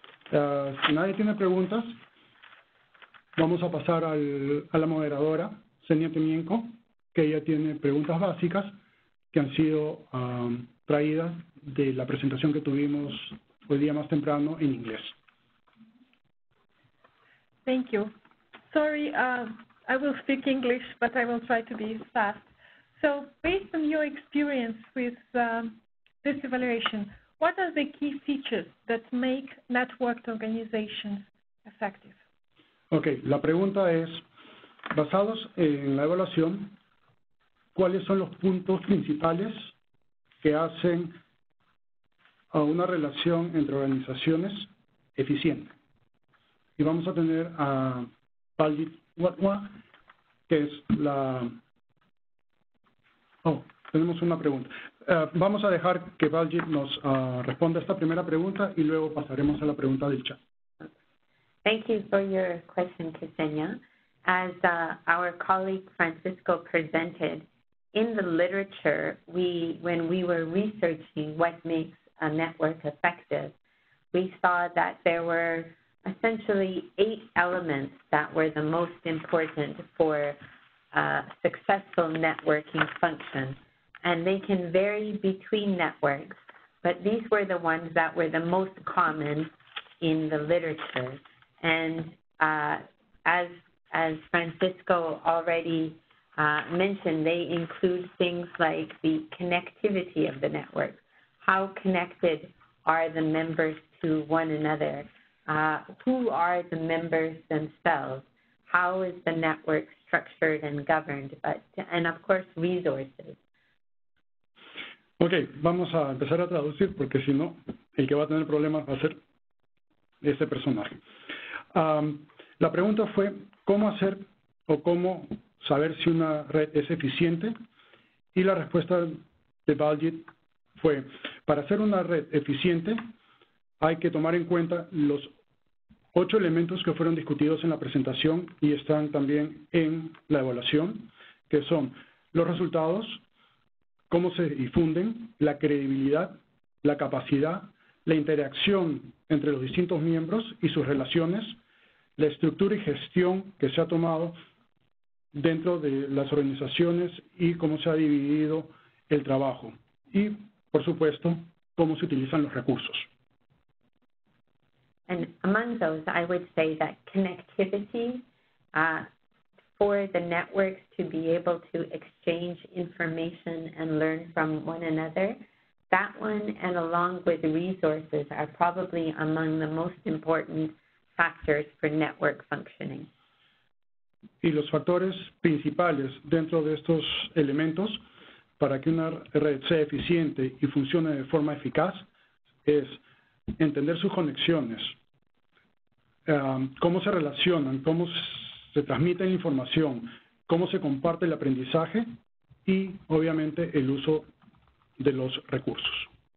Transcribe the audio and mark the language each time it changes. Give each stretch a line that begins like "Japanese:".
Spanish: Si nadie tiene preguntas, vamos a pasar a la moderadora, Xenia Temienko, que ella tiene preguntas básicas que han sido traídas de la presentación que tuvimos hoy día más temprano en inglés.
English: Thank you. Sorry, I will speak English, but I will try to be fast. So, based on your experience with this evaluation, what are the key features that make networked organizations effective?
Spanish: Okay, la pregunta es, basados en la evaluación, ¿cuáles son los puntos principales que hacen a una relación entre organizaciones eficiente? Y vamos a tener a Paldit Watwa, que es la... Oh, tenemos una pregunta. Vamos a dejar que Paldit nos responda esta primera pregunta y luego pasaremos a la pregunta del chat.
English: Thank you for your question, Ksenia. As our colleague Francisco presented, in the literature, when we were researching what makes a network effective, we saw that there were essentially 8 elements that were the most important for successful networking function. And they can vary between networks, but these were the ones that were the most common in the literature. And as Francisco already mentioned, they include things like the connectivity of the network. How connected are the members to one another? Who are the members themselves? How is the network structured and governed? And of course, resources.
Spanish: Okay, vamos a empezar a traducir porque si no, el que va a tener problemas va a ser ese personaje. La pregunta fue, ¿cómo hacer o cómo saber si una red es eficiente? Y la respuesta de Baljit fue, para hacer una red eficiente, hay que tomar en cuenta los 8 elementos que fueron discutidos en la presentación y están también en la evaluación, que son los resultados, cómo se difunden, la credibilidad, la capacidad, la interacción entre los distintos miembros y sus relaciones, la estructura y gestión que se ha tomado dentro de las organizaciones y cómo se ha dividido el trabajo. Y, por supuesto, cómo se utilizan los recursos.
English: And among those, I would say that connectivity, for the networks to be able to exchange information and learn from one another, that one and along with resources are probably among the most important factors for network functioning.
Spanish: Y los factores principales dentro de estos elementos para que una red sea eficiente y funcione de forma eficaz es entender sus conexiones, cómo se relacionan, cómo se transmite la información, cómo se comparte el aprendizaje y, obviamente, el uso de los recursos.